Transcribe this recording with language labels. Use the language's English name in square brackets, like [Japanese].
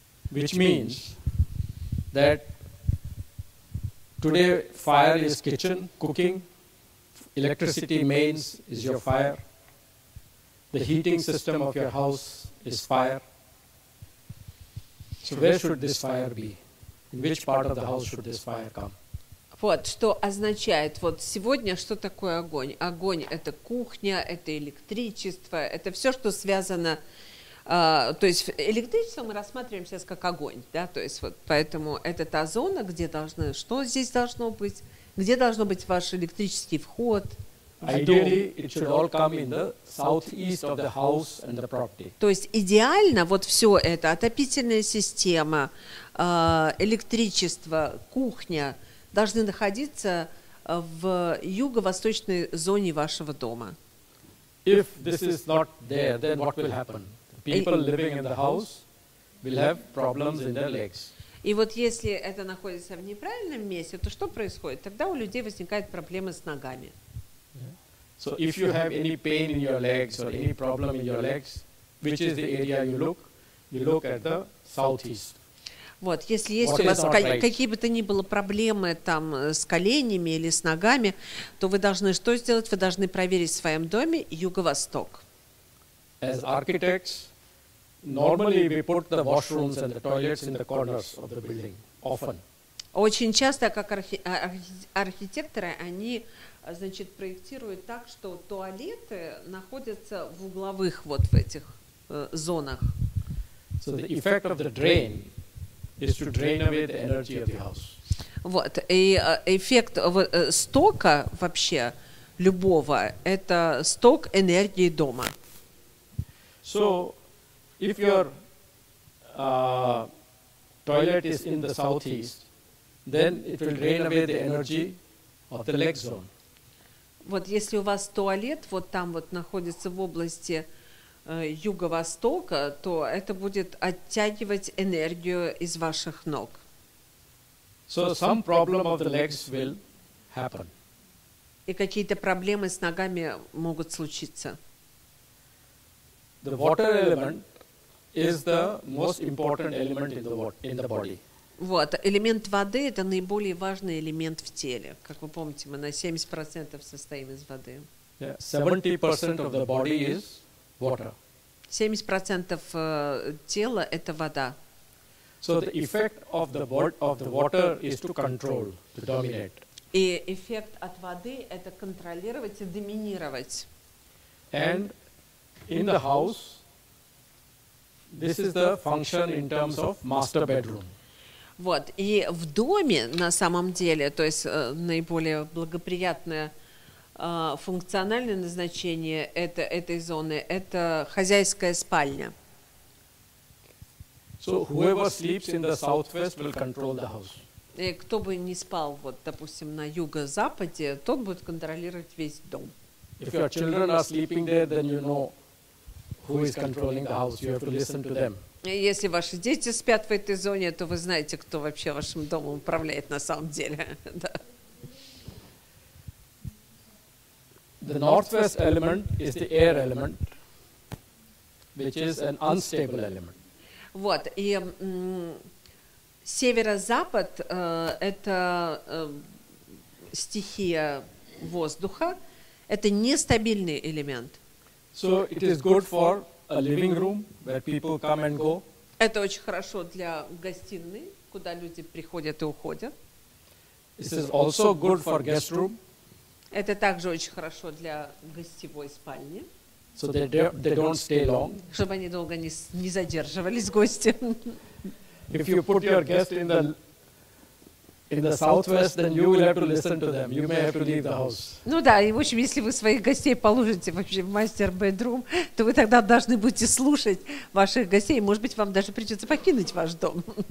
[English] which means that today fire is kitchen, cooking, electricity mains is your fire, the heating system of your house is fire. So where should this fire be? In which part of the house should this fire come? [Russian] Вот, что означает вот сегодня, что такое огонь? Огонь – это кухня, это электричество, это все, что связано, то есть электричество мы рассматриваем сейчас как огонь, да, то есть вот поэтому это та зона, где должны, что здесь должно быть, где должно быть ваш электрический вход. [English] Ideally, it should all come in the southeast of the house and the property. [Russian] То есть идеально вот все это, отопительная система, электричество, кухня, должны находиться в юго-восточной зоне вашего дома. [English] If this is not there, then what will happen? People living in the house will have problems in their legs. [Russian] И вот если это находится в неправильном месте, то что происходит? Тогда у людей возникают проблемы с ногами. [English] So if you have any pain in your legs or any problem in your legs, which is the area you look at the southeast. [Russian] Вот, если есть у вас какие бы то ни было проблемы там с коленями или с ногами, то вы должны что сделать? Вы должны проверить в своем доме юго-восток. [English] As architects, normally we put the washrooms and the toilets in the corners of the building, often. [Russian] Очень часто, как архитекторы, они, значит, проектируют так, что туалеты находятся в угловых вот в этих зонах. [English] So the effect of the drain is to drain away the energy of the house. [Russian] Вот, и эффект стока вообще любого – это сток энергии дома. [English] So, if your toilet is in the southeast, then it will drain away the energy of the leg zone. [Russian] Вот, если у вас туалет вот там вот находится в области юго-востока, то это будет оттягивать энергию из ваших ног. [English] So some problem of the legs will happen. [Russian] И какие-то проблемы с ногами могут случиться. [English] The water element is the most important element in the water, in the body. [Russian] Вот, элемент воды – это наиболее важный элемент в теле. Как вы помните, мы на 70% состоим из воды. [English] Yeah, 70% of the body is water. [Russian] 70% тела – это вода. [English] So the effect of the water is to control, to dominate. [Russian] И эффект от воды – это контролировать и доминировать. [English] And in the house, this is the function in terms of master bedroom. [Russian] Вот, и в доме, на самом деле, то есть наиболее благоприятное функциональное назначение этой зоны – это хозяйская спальня. [English] So whoever sleeps in the southwest will control the house. [Russian] И кто бы не спал, вот, допустим, на юго-западе, тот будет контролировать весь дом. [English] If your children are sleeping there, then you know who is controlling the house. You have to listen to them. [Russian] Если ваши дети спят в этой зоне, то вы знаете, кто вообще вашим домом управляет на самом деле. Да. [English] The northwest element is the air element, which is an unstable element. [Russian] Вот, и северо-запад – это стихия воздуха, это нестабильный элемент. [English] So it is good for a living room where people come and go. [Russian] Это очень хорошо для гостиной, куда люди приходят и уходят. [English] This is also good for guest room. [Russian] Это также очень хорошо для гостевой спальни. [English] So they don't stay long. [Russian] Чтобы они долго не задерживались гости. [English] If you put your guest in the southwest, then you will have to listen to them. You may have to leave the house. [Russian] Ну да, и в общем, если вы своих гостей положите вообще в мастер бедрум, то вы тогда должны будете слушать ваших гостей. Может быть, вам даже придется покинуть ваш дом.